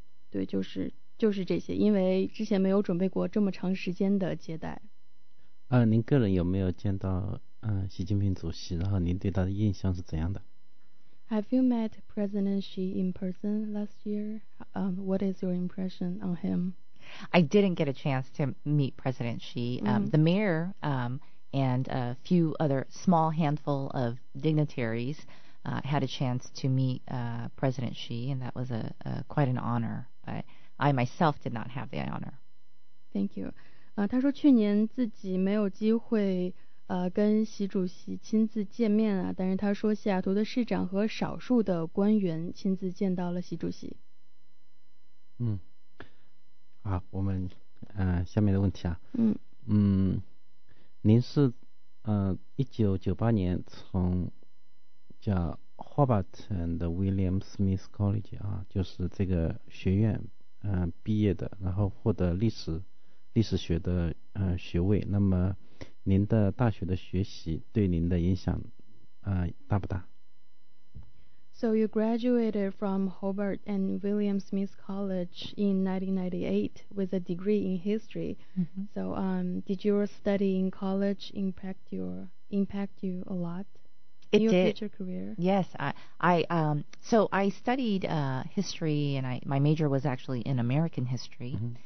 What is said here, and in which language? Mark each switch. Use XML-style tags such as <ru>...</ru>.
<zh>对，就是这些，因为之前没有准备过这么长时间的接待。您个人有没有见到习近平主席，然后您对他的印象是怎样的？</zh> <en>Have you met President Xi in person last year? What is your impression on him? I didn't get a chance to meet President Xi. The mayor and a few other small handful of dignitaries had a chance to meet President Xi, and that was quite an honor. But I myself did not have the honor. Thank you.</en> <zh>他说去年自己没有机会跟习主席亲自见面啊，但是他说西雅图的市长和少数的官员亲自见到了习主席。好，我们下面的问题啊。您是1998年从叫霍巴顿的 William Smith College 啊，就是这个学院毕业的，然后获得历史学的学位。那么您的大学的学习对您的影响大不大？</zh> <en>So you graduated from Hobart and William Smith College in 1998 with a degree in history. So did your study in college impact you a lot in your future career? Yes, so I studied history, and my major was actually in American history.</en>